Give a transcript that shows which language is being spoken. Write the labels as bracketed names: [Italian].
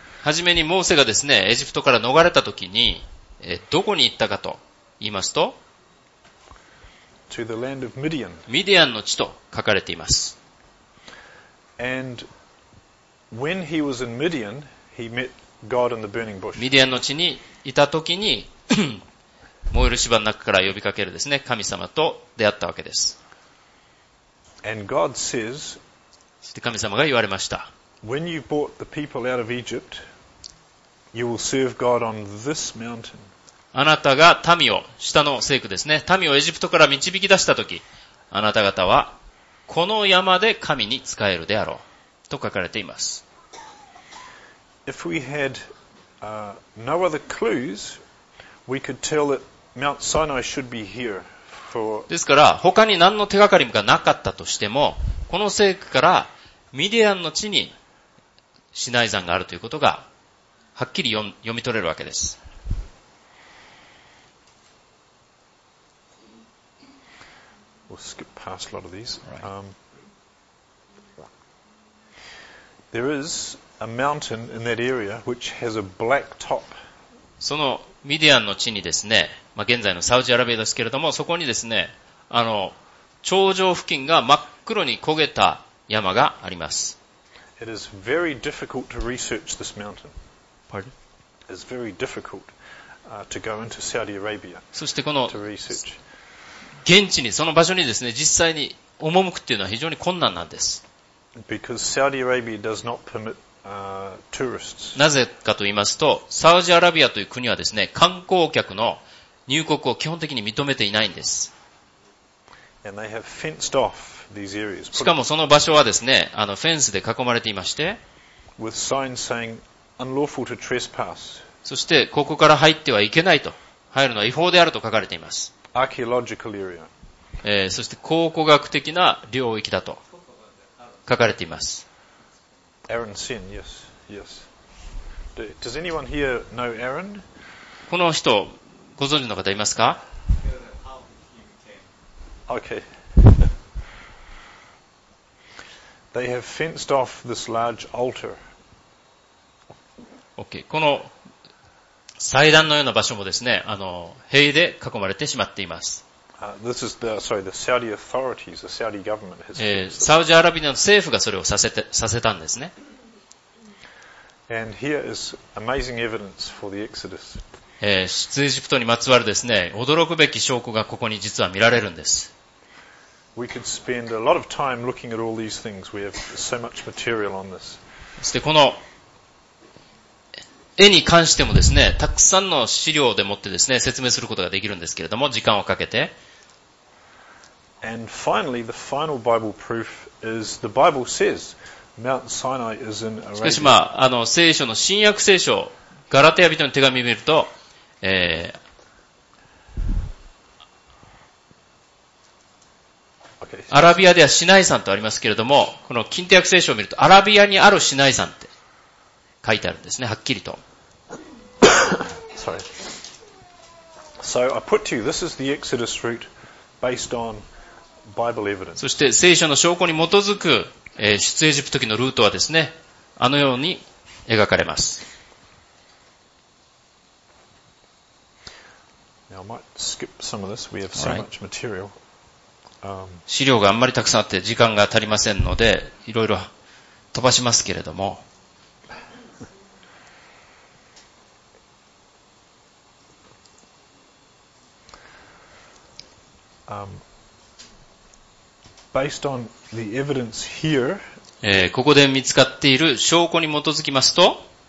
[Japanese] はじめにモーセがですね、エジプトから逃れたときに、どこに行ったかと言いますと、 [English] to the land of Midian. [Japanese] ミディアンの地と書かれています。 [English] And when he was in Midian, he met God in the burning bush. [Japanese] ミディアンの地にいたときに、燃える芝の中から呼びかけるですね、神様と出会ったわけです。 [English] And God says, [Japanese] 神様が言われました。 [English] When you brought the people out of Egypt, you will serve God on this mountain. [Japanese] あなたが民を、下の聖句ですね、民をエジプトから導き出したとき、あなた方は、この山で神に仕えるであろう。と書かれています。 [English] If we had, no other clues,We could tell that Mount Sinai should be here for... [Japanese] ですから他に何の手がかりがなかったとしてもこの聖句からミディアンの地にシナイ山があるということがはっきり読み取れるわけです。 [English] We'll skip past a lot of these. There is a mountain in that area which has a black top. そのミディアンの地にですね、まあ、現在のサウジアラビアですけれども、そこにですね、頂上付近が真っ黒に焦げた山があります。 It is very difficult to research this mountain. Pardon? It's very difficult to go into Saudi Arabia to research. [Japanese] 現地にその場所にですね実際に赴くっていうのは非常に困難なんです。 [English] Because Saudi Arabia does not permit tourists. [Japanese] なぜかと言いますと、サウジアラビアという国はですね観光客の入国を基本的に認めていないんです。 [English] And they have fenced off these areas. [Japanese] しかもその場所はですねあのフェンスで囲まれていまして、 [English] with signs saying unlawful to trespass. [Japanese] そしてここから入ってはいけないと、入るのは違法であると書かれています。 [English] Archaeological area. [Japanese] そして考古学的な領域だと書かれています。 [English] Aaron Sen, yes, yes. Does anyone here know Aaron? [Japanese] この人ご存知の方いますか？ [English] Okay. They have fenced off this large altar. Okay. [Japanese] この祭壇のような場所もですね、あの塀で囲まれてしまっています。サウジアラビアの政府がそれをさせたんですね。 [English] And here is amazing evidence for the Exodus. [Japanese] 出エジプトにまつわるですね、驚くべき証拠がここに実は見られるんです。 [English] We could spend a lot of time looking at all these things. We have so much material on this. [Japanese] そしてこの絵に関してもですね、たくさんの資料でもってですね、説明することができるんですけれども、時間をかけて。 [English] And finally, the final Bible proof is the Bible says Mount Sinai is in Arabia. [Japanese] しかしまあ、あの、聖書の新約聖書、ガラテヤ人の手紙を見ると、アラビアではシナイ山とありますけれども、この近代約聖書を見ると、アラビアにあるシナイ山って書いてあるんですね、はっきりと。 [English] Sorry. So I put to you, this is the Exodus route based on Bible evidence. [Japanese] そして聖書の証拠に基づく、出エジプト記のルートはですね、あのように描かれます。 [English] Now I might skip some of this. We have so much material. [Japanese] 資料があんまりたくさんあって時間が足りませんので、いろいろ飛ばしますけれども。 [English] Based on the evidence here, [Japanese] ここで見つかっている証拠に基づきますと、